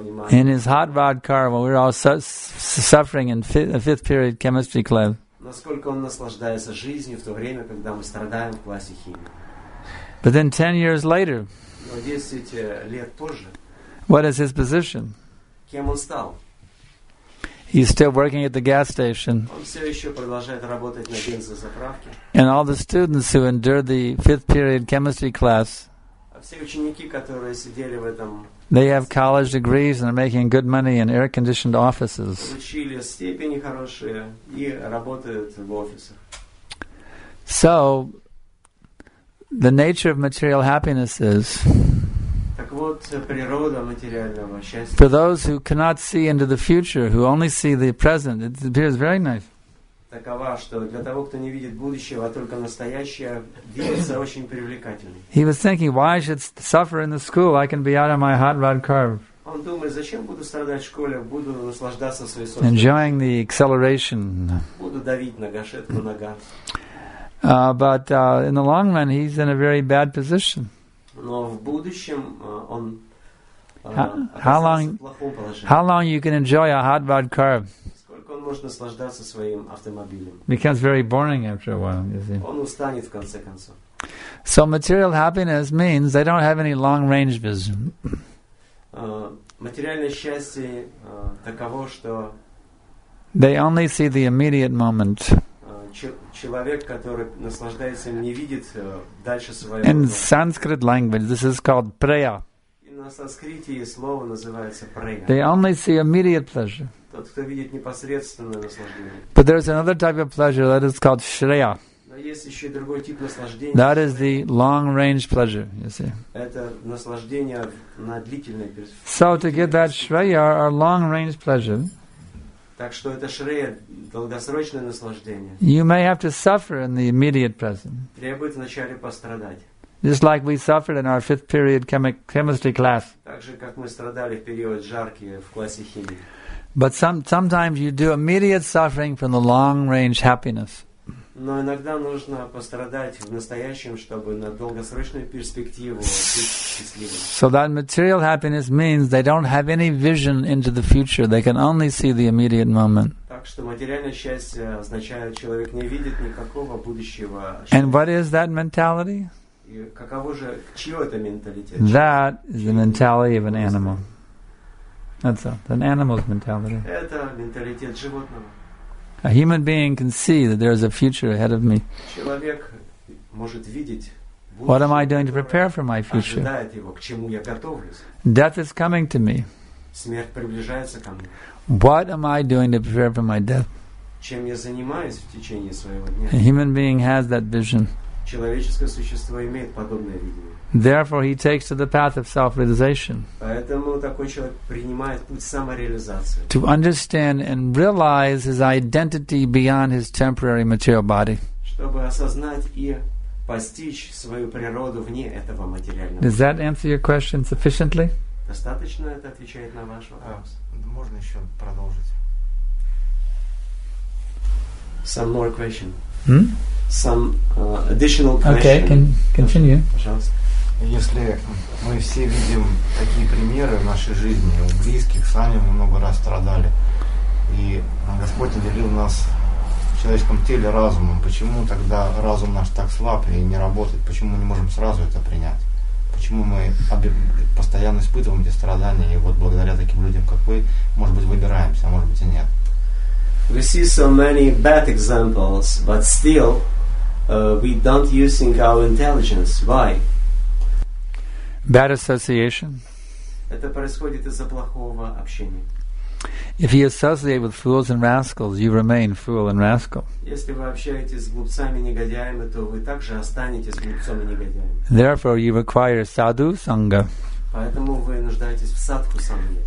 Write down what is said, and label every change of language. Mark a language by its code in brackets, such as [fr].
[en] In his hot rod car, while we were all suffering in fifth period chemistry club. [ru] Насколько он наслаждается жизнью в то время, когда мы страдаем в классе химии. [en] But then 10 years later, [ru] 10 лет позже, [en] what is his position? [ru] Кем он стал? [en] He's still working at the gas station. [ru] Он все еще продолжает работать на бензозаправке. [en] And all the students who endured the fifth period chemistry class, [ru] все ученики, которые сидели в этом, [en] they have college degrees and are making good money in air-conditioned offices. [ru] Получили степени хорошие и работают в офисах. [en] So, the nature of material happiness is, [ru] так вот, природа материального счастья, [en] for those who cannot see into the future, who only see the present, it appears very nice. [ru] Такова, что для того, кто не видит будущего, а только настоящее, видится очень привлекательным. [en] He was thinking, why should suffer in the school? I can be out of my hot rod car. [ru] Он думает, зачем буду страдать в школе? Буду наслаждаться своей собственной. [en] Enjoying the acceleration. [ru] Буду давить на гашетку нога. [en] But in the long run, he's in a very bad position. [ru] Но в будущем он в плохом положении. [en] How long you can enjoy a hot rod car? [ru] Можно наслаждаться своим автомобилем. [en] Becomes very boring after a while, you see. [ru] Он устанет в конце концов. [en] So material happiness means they don't have any long-range vision. [ru] Материальное счастье таково, что [en] they only see the immediate moment. [ru] Человек, который наслаждается им, не видит дальше своего. [en] In Sanskrit language, this is called preya. [ru] И на санскрите слово называется preya. [en] They only see immediate pleasure. [ru] Тот, кто видит непосредственное наслаждение. [en] But there's another type of pleasure that is called shreya. [ru] Но есть еще и другой тип наслаждения. [en] That is the long-range pleasure, you see. [ru] Это наслаждение на длительной перспективе. [en] So to get that shreya, our long-range pleasure. [ru] Так что это shreya, долгосрочное наслаждение. [en] You may have to suffer in the immediate present. [ru] Требует вначале пострадать. [en] Just like we suffered in our fifth period chemistry class. [ru] Так же, как мы страдали в период жарки в классе химии. [en] But sometimes you do immediate suffering from the long-range happiness. [ru] Но иногда нужно пострадать в настоящем, чтобы на долгосрочную перспективу быть счастливым. [en] So that material happiness means they don't have any vision into the future. They can only see the immediate moment. [ru] Так что материальное счастье означает, человек не видит никакого будущего. [en] And what is that mentality? [ru] И каково же, чьё это менталитет? [en] That is the mentality of an animal. That's an animal's mentality. [ru] Это менталитет животного. [en] A human being can see that there is a future ahead of me. [ru] Человек может видеть будущее. [en] What am I doing to prepare for my future? [ru] Ожидает его, к чему я готовлюсь. [en] Death is coming to me. [ru] Смерть приближается ко мне. [en] What am I doing to prepare for my death? [ru] Чем я занимаюсь в течение своего дня? [en] A human being has that vision. [ru] Человеческое существо имеет подобное видение. [en] Therefore, he takes to the path of self-realization. [ru] Поэтому такой человек принимает путь самореализации. [en] To understand and realize his identity beyond his temporary material body. [ru] Чтобы осознать и постичь свою природу вне этого материального. [en] Does that answer your question sufficiently? [ru] Достаточно это отвечает на ваш вопрос? Можно еще продолжить? [en] Some more question. Hmm? Some additional question. Okay, can continue. [ru] Пожалуйста. Если мы все видим такие примеры в нашей жизни, у близких, сами мы много раз страдали, и Господь наделил нас в человеческом теле разумом, почему тогда разум наш так слаб и не работает, почему мы не можем сразу это принять, почему мы постоянно испытываем эти страдания, и вот благодаря таким людям, как вы, может быть, выбираемся, а может быть и нет. [en] We see so many bad examples, but still we don't using our intelligence. Why? Bad association. [ru] Это происходит из-за плохого общения. [en] If you associate with fools and rascals, you remain fool and rascal. [ru] Если вы общаетесь с глупцами и негодяями, то вы также останетесь глупцом и негодяем. [en] Therefore, you require sadhu sangha. [ru] Поэтому вы нуждаетесь в садху санге.